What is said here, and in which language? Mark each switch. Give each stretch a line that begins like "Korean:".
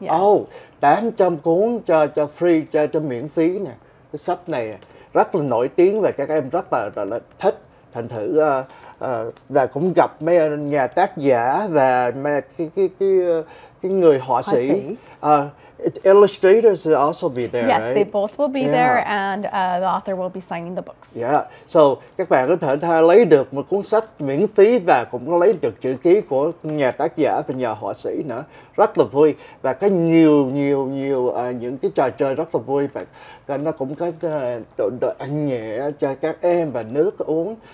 Vietnamese: Yeah. Oh, 800 cuốn cho free, cho miễn phí nè. Cái sách này rất là nổi tiếng và các em rất là thích. Thành thử và cũng gặp mấy nhà tác giả và mấy cái người họa sĩ.
English: Illustrators will also be there, yes, right? Yes, they both will be yeah. there, and the author will be signing the books.
Vietnamese: Yeah, so các bạn có thể lấy được một cuốn sách miễn phí và cũng có lấy được chữ ký của nhà tác giả và nhà họa sĩ nữa. Rất là vui, và có nhiều những cái trò chơi rất là vui, và nó cũng có đồ ăn nhẹ cho các em và nước uống.